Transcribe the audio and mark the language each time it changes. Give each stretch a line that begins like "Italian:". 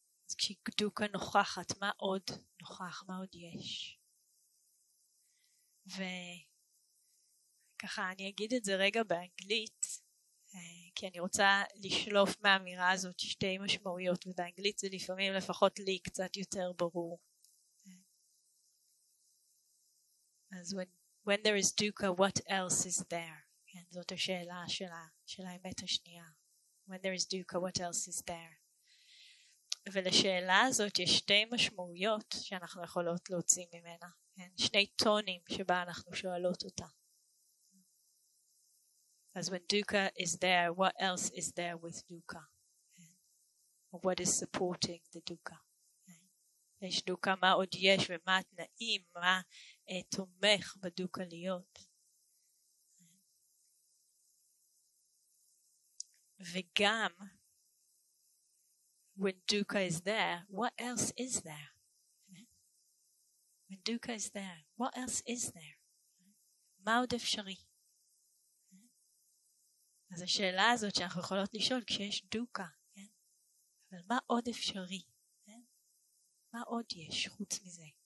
Hebrew: אז כשדוקה נוכחת, מה עוד נוכח, מה עוד יש? וככה, אני אגיד את זה רגע באנגלית, כי אני רוצה לשלוף מהאמירה הזאת שתי משמעויות, ובאנגלית זה לפעמים לפחות לי קצת יותר ברור. אז
English: when there is dukkha, what else is there?
Hebrew: כן, זאת השאלה של האמת השנייה.
English: When there is dukkha, what else is there?
Hebrew: ולשאלה הזאת יש שתי משמעויות שאנחנו יכולות להוציא ממנה. כן? שני טונים שבה אנחנו שואלות אותה.
English: As when dukkha is there, what else is there with dukkha? Okay. What is supporting the dukkha?
Hebrew: יש דוקה, מה עוד יש ומה התנאים, מה תומך בדוקה להיות. וגם,
English: when dukkha is there, what else is there? When dukkha is there, what else is there?
Hebrew: מה עוד אפשרי? אז השאלה הזאת שאנחנו יכולות לשאול כשיש דוקה, כן? אבל מה עוד אפשרי? כן? מה עוד יש חוץ מזה?